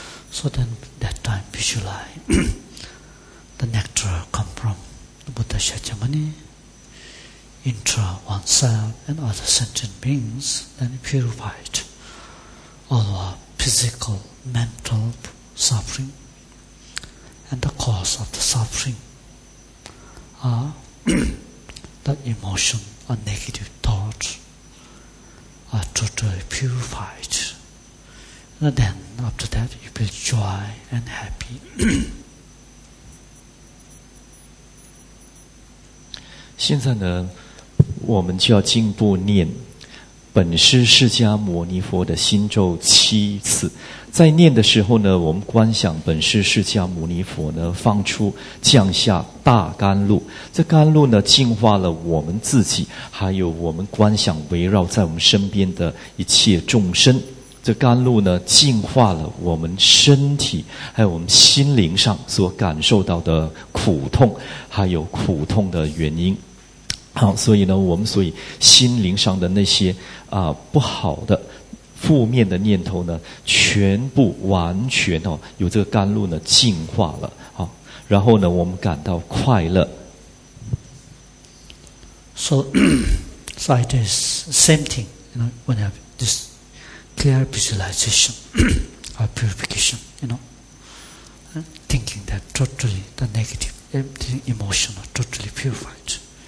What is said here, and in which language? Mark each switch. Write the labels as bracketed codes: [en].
[en] So then, that time visualize the nectar come from the Buddha Shakyamuni, intra oneself and other sentient beings, then purified all our physical, mental suffering, and the cause of the suffering are the emotion or negative thought are totally purified. And then after that you feel joy and happy. [zh] 现在呢我们就要进一步念本师释迦牟尼佛的心咒7次。在念的时候呢，我们观想本师释迦牟尼佛呢放出降下大甘露，这甘露呢净化了我们自己，还有我们观想围绕在我们身边的一切众生。这甘露呢净化了我们身体，还有我们心灵上所感受到的苦痛，还有苦痛的原因。好，所以呢我们所以心灵上的那些不好的负面的念头呢全部完全哦由这个甘露呢净化了。好，然后呢我们感到快乐。 [en] So it is same thing, you know, when you have this clear visualization or purification, you know, thinking that totally the negative empty emotion are totally purified.